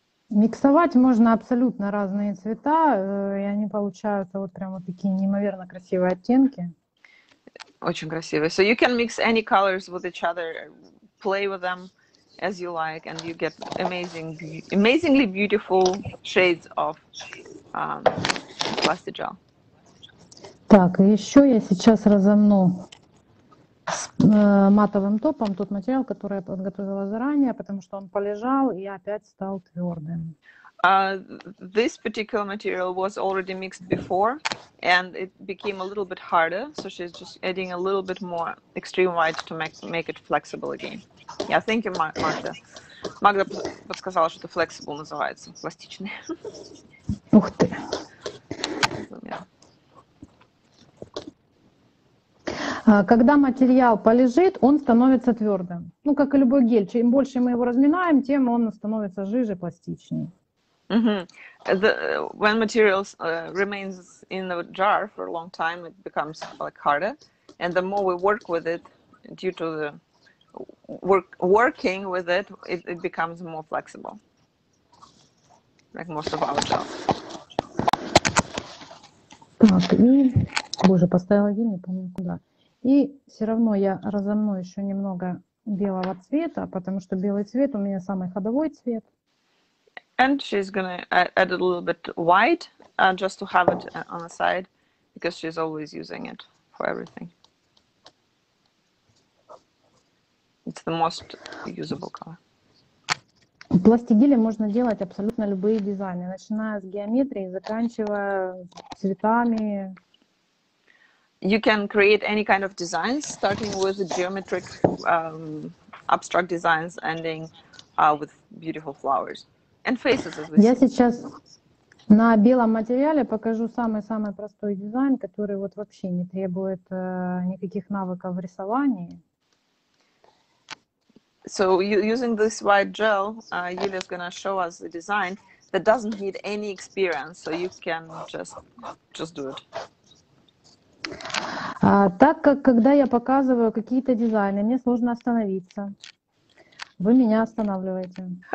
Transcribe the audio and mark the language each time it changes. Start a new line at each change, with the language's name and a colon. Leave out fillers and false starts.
Russian: Миксовать можно абсолютно разные цвета, и они получаются вот прямо такие неимоверно красивые оттенки. Очень красиво.
English: So you can mix any colors with each other, play with them as you like, and you get amazing, amazingly beautiful shades of plastic gel.
Russian: Так, еще я сейчас разомну с матовым топом тот материал, который я подготовила заранее, потому что он полежал и опять стал твердым.
English: This particular material was already mixed before, and it became a little bit harder. So she's just adding a little bit more extreme white to make it flexible again. Yeah, thank you, Magda.
Russian: Magda подсказала, что это flexible называется, пластичный. Ух ты. Когда материал полежит, он становится твердым. Ну, как и любой гель. Чем больше мы его разминаем, тем он становится жиже, пластичнее. Mm-hmm.
English: When materials remains in the jar for a long time, it becomes like harder. And the more we work with it, due to the working with it, it becomes more flexible. Like most of our gels.
Russian: Так, и... Боже, поставила гель, не помню куда. И все равно я разомну еще немного белого цвета, потому что белый цвет у меня самый ходовой цвет.
English: And she's gonna add a little bit white, just to have it on the side, because she's always using it for everything. It's the most usable color.
Russian: Пластигели можно делать абсолютно любые дизайны, начиная с геометрии, заканчивая цветами.
English: You can create any kind of designs, starting with the geometric abstract designs, ending with beautiful flowers. And faces,
Russian: я сейчас на белом материале покажу самый-самый простой дизайн, который вот вообще не требует никаких навыков в рисовании.
English: So using this white gel, Yulia is going to show us a design that doesn't need any experience, so you can just do it.
Russian: Так как, когда я показываю какие-то дизайны, мне сложно остановиться. Вы меня останавливаете.